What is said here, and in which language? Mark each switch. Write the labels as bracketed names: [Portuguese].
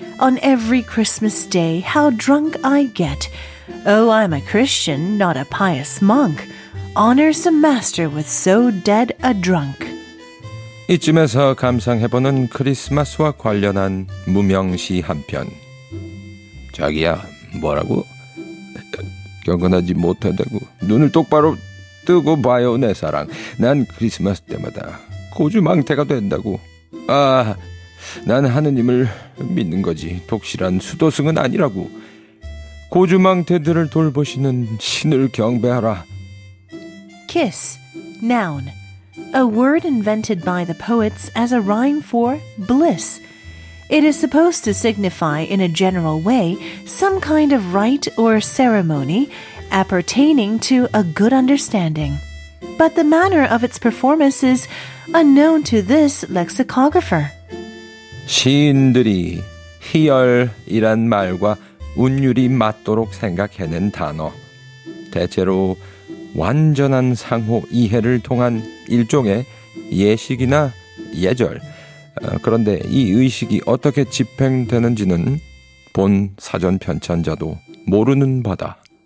[English] On every Christmas day, how drunk I get. Oh, I'm a Christian, not a pious monk. honors a master with so dead a drunk. [Korean] 이쯤에서 감상해보는 크리스마스와 관련한 무명시 한 편. 자기야, 뭐라고? 경건하지 못하다고 눈을 똑바로 뜨고 봐요, 내 사랑. 난 크리스마스 때마다 고주망태가 된다고. 아, 난 하느님을 믿는 거지. 독실한 수도승은 아니라고. 고주망태들을 돌보시는 신을 경배하라. [English] Kiss, noun, a word invented by the poets as a rhyme for bliss. It is supposed to signify, in a general way, some kind of rite or ceremony appertaining to a good understanding. But the manner of its performance is unknown to this lexicographer. [Korean] 시인들이 희열이란 말과 운율이 맞도록 생각해낸 단어. 대체로 완전한 상호 이해를 통한 일종의 예식이나 예절. 그런데 이 의식이 어떻게 집행되는지는 본 사전 편찬자도 모르는 바다.